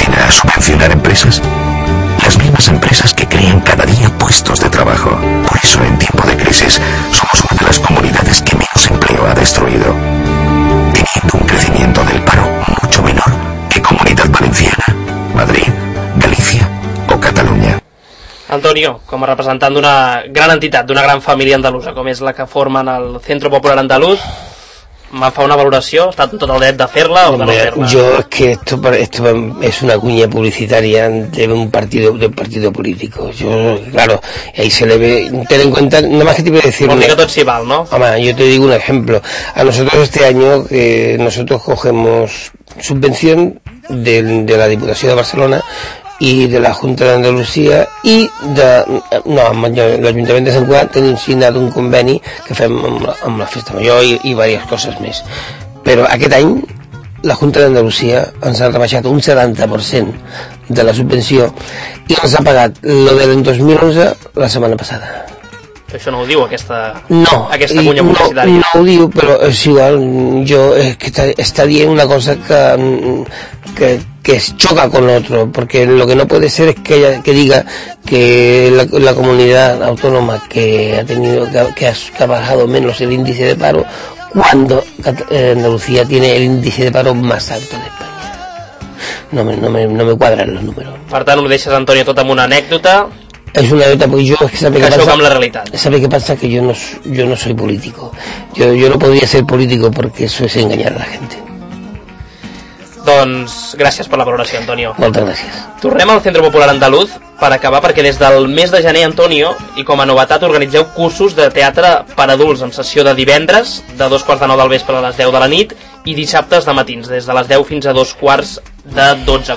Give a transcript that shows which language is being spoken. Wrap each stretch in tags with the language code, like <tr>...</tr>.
<es>Subvencionar empresas, las mismas empresas que crean cada día puestos de trabajo. Por eso en tiempo de crisis somos una de las comunidades que menos empleo ha destruido, teniendo un crecimiento del paro mucho menor que Comunidad Valenciana, Madrid, Galicia o Cataluña.</es> <ca>Antonio, com a representant d'una gran entitat, d'una gran família andalusa com és la que formen el Centro Popular Andaluz, me fa una valoració, està tot el dret de fer-la o de no fer-la? Jo, és que</ca> <es>esto es una cuña publicitaria de un partido, del partido político. Yo, claro, ahí se le ve, ten en cuenta, nada más que te voy a decir. Porque</es> <ca>tot s'hi val, ¿no?</ca> <es>Home, yo te digo un ejemplo. A nosotros este año, nosotros cogemos subvención de la Diputación de Barcelona y de la Junta de Andalucía y de...</es> <ca>No, l'Ajuntament de Sant Cugat tenim signat un conveni que fem amb la Festa Major i diverses coses més. Però aquest any la Junta d'Andalucía ens ha rebaixat un 70% de la subvenció i ens ha pagat el del 2011 la setmana passada. Això no ho diu aquesta cunya publicitària? No, no ho diu, però és igual. Jo, és que està dient una cosa que</ca> <es>choca con otro, porque lo que no puede ser es que ella que diga que la comunidad autónoma que ha tenido que ha bajado menos el índice de paro cuando Andalucía tiene el índice de paro más alto de España. No me cuadran los números.</es> <ca>Per tant, ho deixes, Antonio, tot amb una anècdota.</ca> <es>Es una anécdota porque yo es que sabe que pasa con la realidad. ¿Sabe qué pasa? Que yo no soy político. Yo no podría ser político porque eso es engañar a la gente.</es> <ca>Doncs gràcies per la valoració, Antonio. Moltes gràcies. Tornem al Centre Popular Andaluz per acabar, perquè des del mes de gener, Antonio, i com a novetat organitzeu cursos de teatre per adults amb sessió de divendres de 8:45 del vespre a les 10 de la nit i dissabtes de matins, des de les 10 fins a 11:45.</ca>